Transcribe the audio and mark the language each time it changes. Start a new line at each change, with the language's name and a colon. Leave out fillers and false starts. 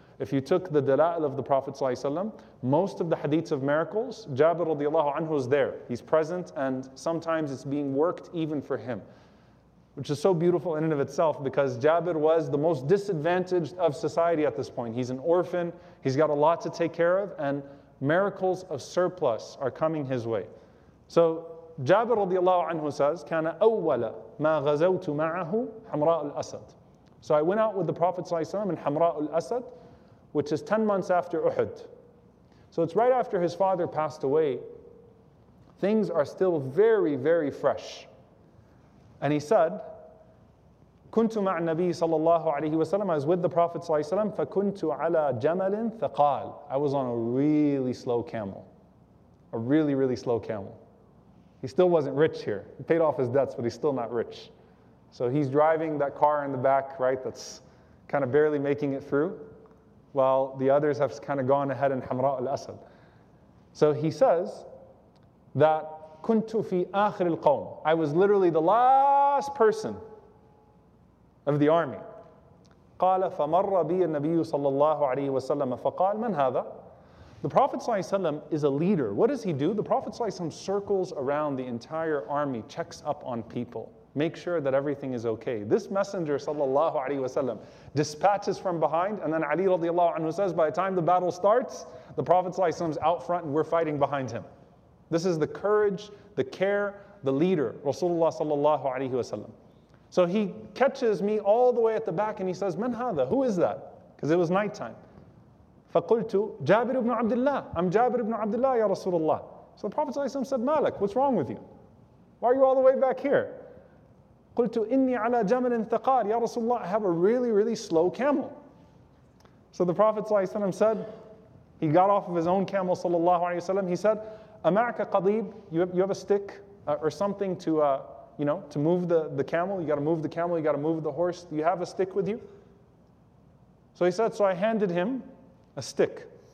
English: If you took the dala'il of the Prophet ﷺ, most of the hadiths of miracles, Jabir radiallahu anhu is there. He's present, and sometimes it's being worked even for him, which is so beautiful in and of itself, because Jabir was the most disadvantaged of society at this point. He's an orphan, he's got a lot to take care of, and miracles of surplus are coming his way. So Jabir radiallahu anhu says,
Arabic: كَانَ أَوَّلَ مَا غَزَوْتُ مَعَهُ حَمْرَاءُ الْأَسَدُ.
English: So I went out with the Prophet ﷺ in حَمْرَاءُ الْأَسَدُ, which is 10 months after Uhud. So it's right after his father passed away. Things are still very, very fresh. And he said,
Arabic: كُنْتُ مَعَ النَّبِيِّ صَلَى اللَّهُ عَلَيْهِ وَسَلَمَ.
English: I was with the Prophet ﷺ,
Arabic: فَكُنْتُ عَلَى جَمَلٍ ثَقَالٍ.
English: I was on a really slow camel. A really, really slow camel. He still wasn't rich here. He paid off his debts, but he's still not rich. So he's driving that car in the back, right, that's kind of barely making it through, while the others have kind of gone ahead in حَمْرَاءُ الْأَسَدِ. So he says that
Arabic: كُنْتُ فِي آخِرِ الْقَوْمِ.
English: I was literally the last person of the army.
Arabic: قَالَ فَمَرَّ بِيَ النَّبِيُّ صَلَّى اللَّهُ عَلَيْهِ وَسَلَّمَ فَقَالَ مَنْ هَذَا.
English: The Prophet ﷺ is a leader. What does he do? The Prophet ﷺ circles around the entire army, checks up on people, make sure that everything is okay. This messenger, sallallahu alayhi wasallam, dispatches from behind, and then Ali radiallahu anhu says, by the time the battle starts, the Prophet ﷺ is out front and we're fighting behind him. This is the courage, the care, the leader, Rasulullah sallallahu alayhi wasallam. So he catches me all the way at the back and he says,
Arabic: man hadha,
English: who is that? Because it was nighttime. Faqultu, Jabir ibn Abdullah. I'm Jabir ibn Abdullah, ya Rasulullah. So the Prophet ﷺ said, Malik, what's wrong with you? Why are you all the way back here?
Arabic: قُلْتُ إِنِّي عَلَى جَمَلٍ ثَقَارٍ يَا رَسُولَ اللَّهِ
English: I have a really, really slow camel. So the Prophet ﷺ said, he got off of his own camel, sallallahu alayhi wa sallam, he said,
Arabic: أَمَعْكَ قَضِيبٍ
English: You have a stick or something to move the camel? You got to move the camel, you got to move the horse. Do you have a stick with you? So he said, so I handed him a stick.